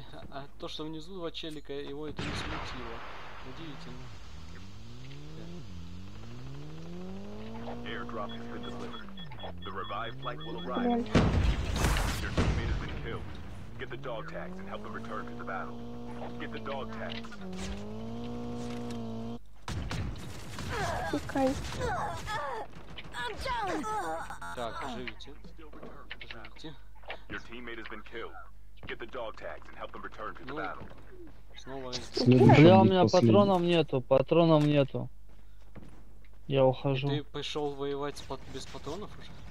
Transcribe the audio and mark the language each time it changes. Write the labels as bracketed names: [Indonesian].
[Russian] А то, что внизу два челика, его это не смутило. Удивительно. [English] Airdrop has been delivered. The revived flight will arrive. Your teammate has been killed. Get the dog tags and help them return to the battle. Get the dog tags. Okay. [Russian] Так, живите. Живите. Your teammate has been killed. Get the dog tags and help them return to the battle. Снова. Бля, у меня патронов нету, патронов нету. Я ухожу. Ты пошел воевать с без патронов уже?